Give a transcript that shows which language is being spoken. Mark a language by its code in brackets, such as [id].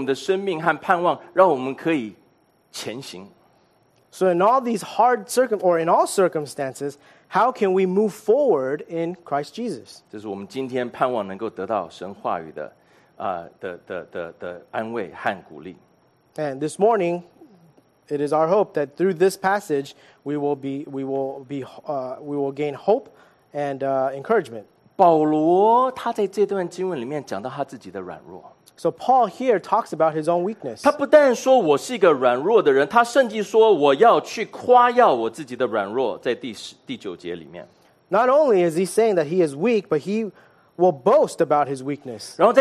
[zh] 我们怎么样在各样的环境当中，我们能够因为主耶稣基督所赐给我们的生命和盼望，让我们可以前行。 [en] So in all these hard circumstances, how can we move forward in Christ Jesus? [zh] 这是我们今天盼望能够得到神话语的。的安慰和鼓励。 [en] And this morning, it is our hope that through this passage, we will gain hope and encouragement. [zh] 保罗他在这段经文里面讲到他自己的软弱。 [en] So Paul here talks about his own weakness. [zh] 他不但说我是一个软弱的人, 他甚至说我要去夸耀我自己的软弱在第九节里面。 [en] Not only is he saying that he is weak, but he will boast about his weakness.